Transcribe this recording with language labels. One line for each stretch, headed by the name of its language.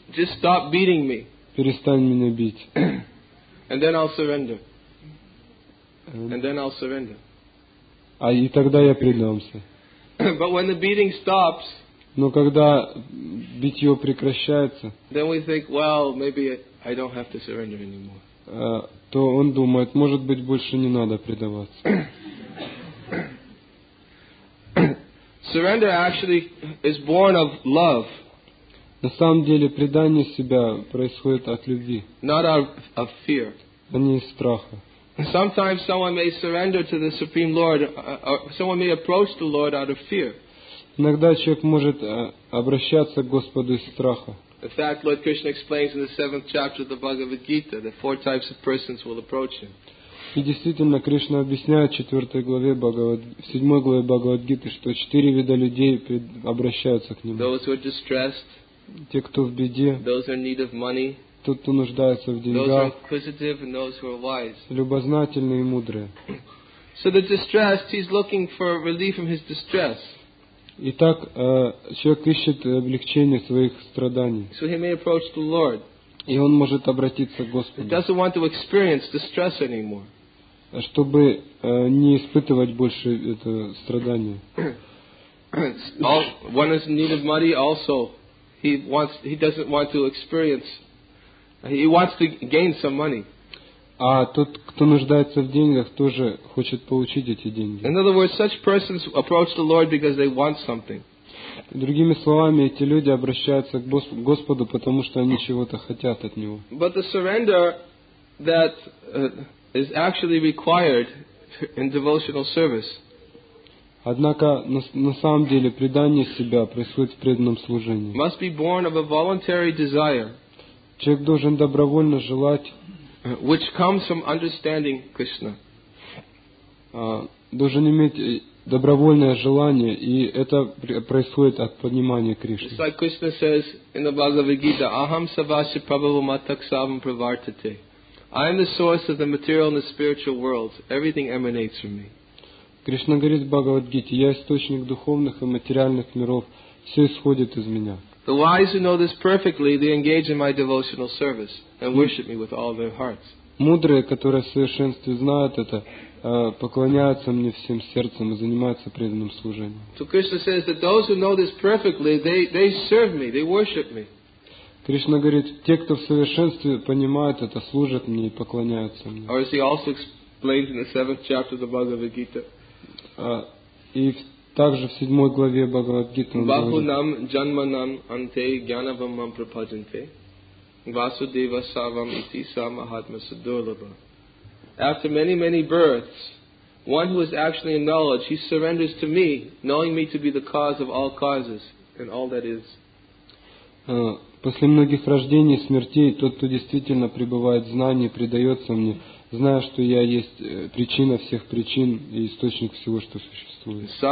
English: Just stop beating me.
Russian: Перестань меня бить.
English: And then I'll surrender. And then I'll surrender.
Russian: А и тогда я предамся.
English: But when the beating stops,
Russian: но когда битье прекращается,
English: then we think, well, maybe I don't have to surrender anymore.
Russian: То он думает, может быть, больше не надо предаваться.
English: Surrender actually is born of love.
Russian: На самом деле предание себя происходит от любви.
English: Not of fear.
Russian: А не из страха.
English: Sometimes someone may surrender to the Supreme Lord, or someone may approach the Lord out of fear.
Russian: Иногда человек может обращаться к Господу из страха.
English: In fact, Lord Krishna explains in the 7th chapter of the Bhagavad Gita that 4 types of persons will approach him.
Russian: И действительно, Кришна объясняет в 4 главе Бхагавад, в 7 главе Бхагавад Гиты, что 4 вида людей обращаются к нему.
English: Those who are distressed.
Russian: Те, кто в беде.
English: Those who are in need of money.
Russian: Тот, кто нуждается в деньгах.
English: Those who are inquisitive and those who are wise.
Russian: Любознательные и мудрые.
English: So the distressed, he's looking for relief from his distress.
Russian: Итак, человек ищет облегчение своих страданий.
English: So he may approach the Lord.
Russian: И он может обратиться к Господу.
English: He doesn't want to experience distress anymore.
Russian: Чтобы не испытывать больше это страдание.
English: One is in need of money also. He doesn't want to experience. He wants to gain some money.
Russian: А тот, кто нуждается в деньгах, тоже хочет получить эти деньги.
English: In other words, such persons approach the Lord because they want something.
Russian: Другими словами, эти люди обращаются к Господу, потому что они чего-то хотят от Него.
English: But the surrender that is actually required in devotional service.
Russian: Однако на самом деле предание себя происходит в преданном служении.
English: Must be born of a voluntary desire.
Russian: Человек должен добровольно желать.
English: Which comes from understanding Krishna.
Russian: Должен иметь добровольное желание, и это происходит от понимания Кришны.
English: Like Krishna says in the Bhagavad Gita,
Sanskrit: "Aham savasya prabhu mataksavam pravartate."
English: I am the source of the material and the spiritual worlds. Everything emanates from me.
Russian: Кришна говорит в Бхагавад-гите, я источник духовных и материальных миров, все исходит из меня.
English: The wise who know this perfectly, they engage in my devotional service and worship me with all their hearts.
Russian: Мудрые, которые в совершенстве знают это, поклоняются мне всем сердцем и занимаются преданным служением.
English: So Krishna says that those who know this perfectly, they serve me, they worship me.
Russian: Кришна говорит, те, кто в совершенстве понимают это, служат мне и поклоняются мне.
English: Or as he also explains in the 7th chapter of the Bhagavad Gita.
Russian: И также в 7 главе Бхагавад-гиты он говорит.
Sanskrit: Бахунам джанманам анте гьянавамам прападжанте васудева савам ити са махатма садурлаба.
English: After many, many births, one who is actually in knowledge, he surrenders to me, knowing me to be the cause of all causes and all that is.
Russian: После многих рождений и смертей, тот, кто действительно пребывает в знании, предается мне, зная, что я есть причина всех причин и источник всего, что существует.